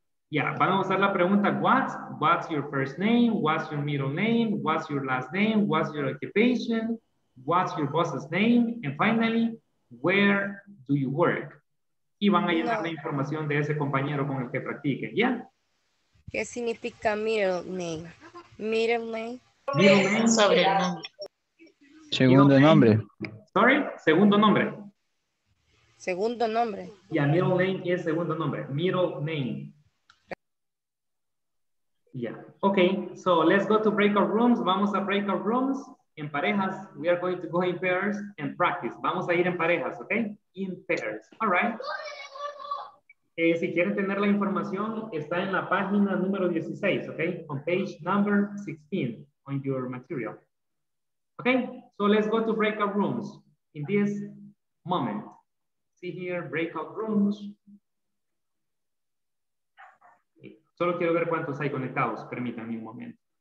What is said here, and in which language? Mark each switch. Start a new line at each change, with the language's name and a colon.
English: Yeah,
Spanish: van a usar la pregunta,
English: what's your first name, what's your middle name, what's your last name, what's your occupation, what's your boss's name, and finally, where do you work?
Spanish: Y van a llenar la información de ese compañero con el que practiquen, ¿ya? ¿Qué significa middle name? Middle name.
English: Middle name.
Spanish: Sobre el nombre. Segundo nombre.
English: Sorry,
Spanish: segundo nombre. Segundo nombre.
English: Yeah, middle name
Spanish: es segundo nombre.
English: Middle name. Yeah. Okay. So let's go to breakout rooms.
Spanish: Vamos a breakout rooms en parejas.
English: We are going to go in pairs and practice.
Spanish: Vamos a ir en parejas, okay?
English: In pairs. All right.
Spanish: Si quieren tener la información, está en la página número 16, okay?
English: On page number 16 on your material. Okay. So let's go to breakout rooms in this moment. See here, breakout rooms.
Spanish: Solo quiero ver cuántos hay conectados. Permítanme un momento.